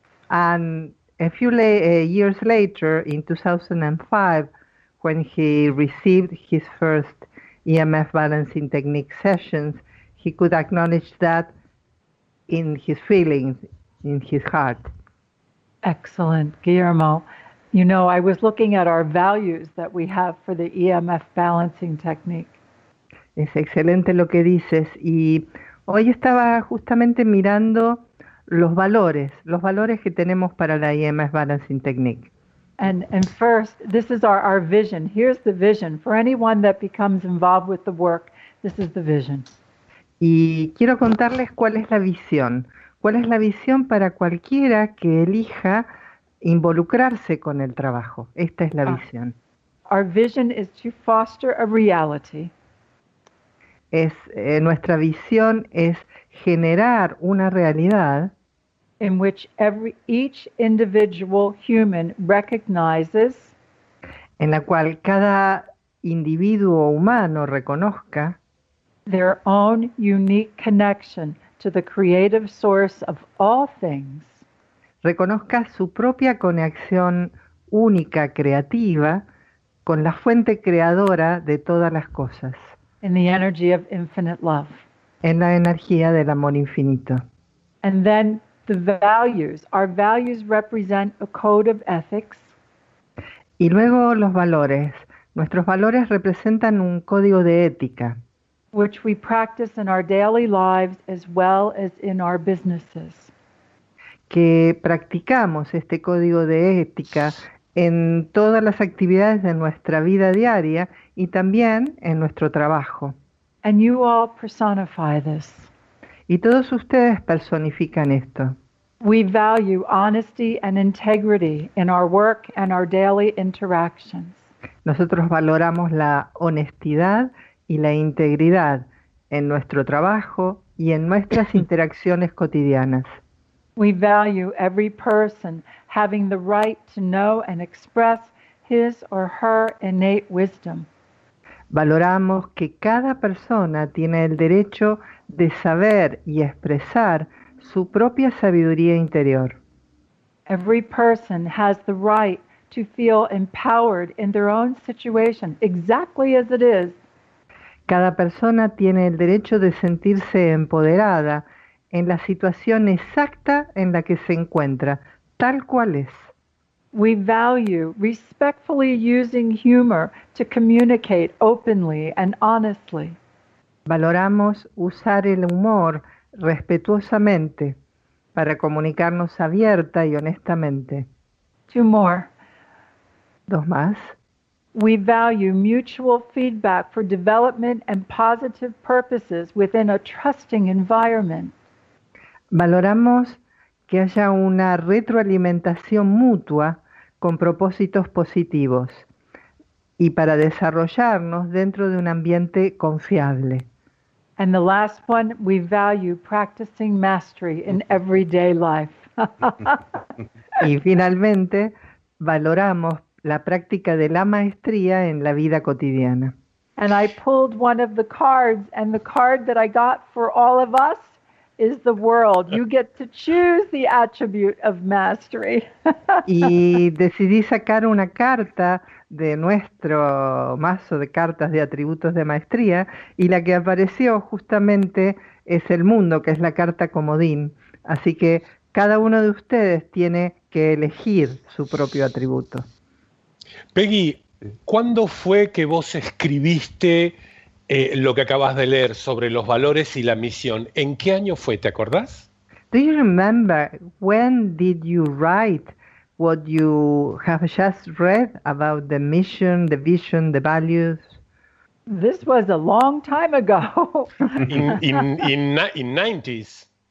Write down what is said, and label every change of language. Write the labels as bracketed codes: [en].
[en] And a few years later, in 2005, when he received his first EMF balancing technique sessions, he could acknowledge that in his feelings, in his heart. Excellent, Guillermo. You know, I was looking at our values that we have for the EMF balancing technique. [es] Es excelente lo que dices. Y hoy estaba justamente mirando los valores que tenemos para la EMF Balancing Technique. [en] And first, this is our vision. Here's the vision. For anyone that becomes involved with the work, this is the vision. [es] Y quiero contarles cuál es la visión. ¿Cuál es la visión para cualquiera que elija involucrarse con el trabajo? Esta es la visión. [en] Our vision is to foster a reality. [es] Nuestra visión es generar una realidad [en] in which each individual human recognizes, [es] en la cual cada individuo humano reconozca, [en] their own unique connection to the creative source of all things, [es] reconozca su propia conexión única creativa con la fuente creadora de todas las cosas, [en] in the energy of infinite love, [es] en la energía del amor infinito. [en] And then the values. Our values represent a code of ethics. [es] Y luego los valores. Nuestros valores representan un código de ética, [en] which we practice in our daily lives as well as in our businesses. [es] Que practicamos este código de ética en todas las actividades de nuestra vida diaria y también en nuestro trabajo. [en] And you all personify this. [es] Y todos ustedes personifican esto. [en] We value honesty and integrity in our work and our daily interactions. [es] Nosotros valoramos la honestidad y la integridad en nuestro trabajo y en nuestras interacciones cotidianas. [en] We value every person having the right to know and express his or her innate wisdom. [es] Valoramos que cada persona tiene el derecho de saber y expresar su propia sabiduría interior. [en] Every person has the right to feel empowered in their own situation, exactly as it is. [es] Cada persona tiene el derecho de sentirse empoderada en la situación exacta en la que se encuentra, tal cual es. [en] We value respectfully using humor to communicate openly and honestly. [es] Valoramos usar el humor respetuosamente para comunicarnos abierta y honestamente. [en] Two more. [es] Dos más. [en] We value mutual feedback for development and positive purposes within a trusting environment. [es] Valoramos que haya una retroalimentación mutua con propósitos positivos y para desarrollarnos dentro de un ambiente confiable. [en] And the last one, we value practicing mastery in everyday life. [es] Y finalmente, valoramos la práctica de la maestría en la vida cotidiana. [en] And I pulled one of the cards, and the card that I got for all of us is the world. You get to choose the attribute of mastery. [es] Y decidí sacar una carta de nuestro mazo de cartas de atributos de maestría, y la que apareció justamente es el mundo, que es la carta comodín. Así que Cada uno de ustedes tiene que elegir su propio atributo. Peggy, ¿cuándo fue que vos escribiste lo que acabas de leer sobre los valores y la misión? ¿En qué año fue? ¿Te acordás? [en] Do you remember when did you write what you have just read about the mission, the vision, the values? This was a long time ago. in 90s.